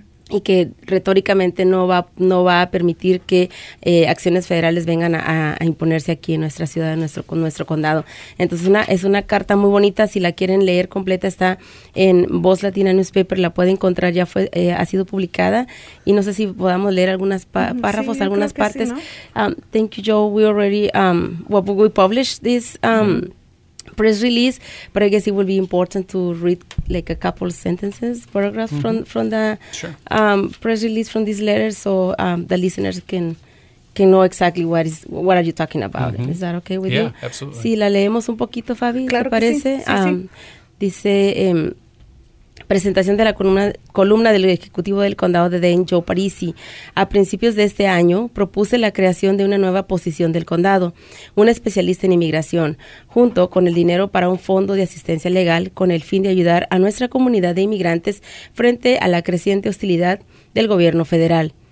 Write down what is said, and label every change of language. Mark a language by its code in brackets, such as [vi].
[es] Y que retóricamente no va a permitir que acciones federales vengan a imponerse aquí en nuestra ciudad, en nuestro condado. Entonces es una carta muy bonita, si la quieren leer completa está en Voz Latina Newspaper, la pueden encontrar, ya fue ha sido publicada y no sé si podamos leer algunas párrafos, sí, algunas partes. Sí, ¿no? [en] Thank you Joe, we already we published this press release, but I guess it will be important to read like a couple sentences, paragraphs from the press release from this letter, so the listeners can know exactly what are you talking about. Mm-hmm. Is that okay with you? Yeah, absolutely. [es] Si la leemos un poquito, Fabi, claro, ¿te parece? Sí. Sí, sí. Dice presentación de la columna del Ejecutivo del Condado de Dane, Joe Parisi. A principios de este año, propuse la creación de una nueva posición del condado, un especialista en inmigración, junto con el dinero para un fondo de asistencia legal con el fin de ayudar a nuestra comunidad de inmigrantes frente a la creciente hostilidad del gobierno federal.